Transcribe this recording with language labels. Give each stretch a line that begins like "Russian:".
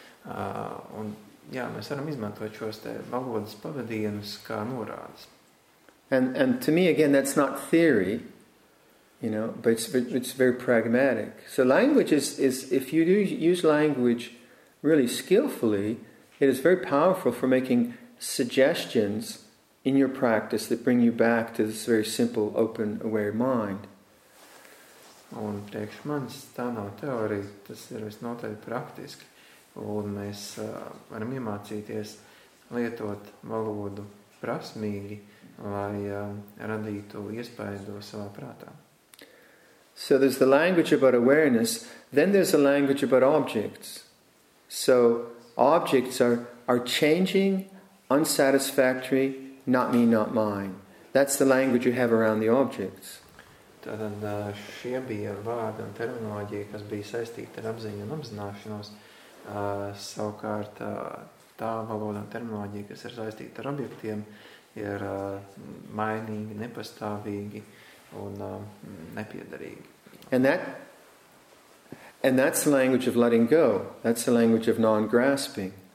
Latvian: Un jā, mēs varam izmantot šos te valodas pavadienus kā norādes.
English: And to me, again, that's not theory, you know, but it's very pragmatic. So language is if you do use language really skillfully, it is very powerful for making suggestions in your practice that bring you back to this very simple, open, aware mind.
Latvian: Un priekš manis tā nav teorija, tas ir visnotaļ praktiski. Un mēs varam iemācīties lietot valodu prasmīgi, lai radītu iespaidu savā prātā.
English: So there's the language about awareness, then there's the language about objects. So objects are changing, unsatisfactory, not me, not mine. That's the language you have around the objects.
Latvian: Tātad šie bija vārdi un terminoloģija, kas bija saistīta ar apziņu un apzināšanos, Savukārt tā valoda un terminoloģija, kas ir saistīta ar objektiem, ir mainīgi, nepastāvīgi un nepiederīgi.
English: And that's the language of letting go. That's the language of non-grasping.